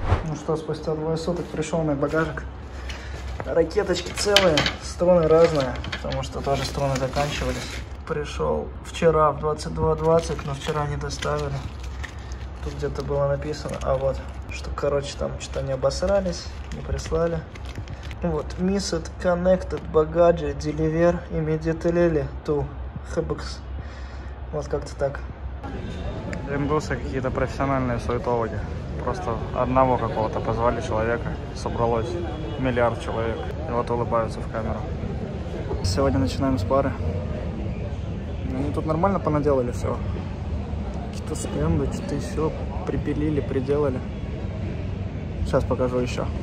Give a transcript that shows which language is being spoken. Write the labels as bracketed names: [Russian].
[Russian] Ну что, спустя 2 суток пришел мой багажик. Ракеточки целые, струны разные, потому что тоже струны заканчивались. Пришел вчера в 22:20, но вчера не доставили. Тут где-то было написано, а вот, что, короче, там что-то не обосрались, не прислали. Вот, [English] missed connected baggage deliver immediately to HBX. [Russian] Вот как-то так. Индусы какие-то профессиональные суетологи. Просто одного какого-то позвали человека, собралось миллиард человек. И вот улыбаются в камеру. Сегодня начинаем с пары. Ну, тут нормально понаделали все. Какие-то стенды, что-то еще припилили, приделали. Сейчас покажу еще.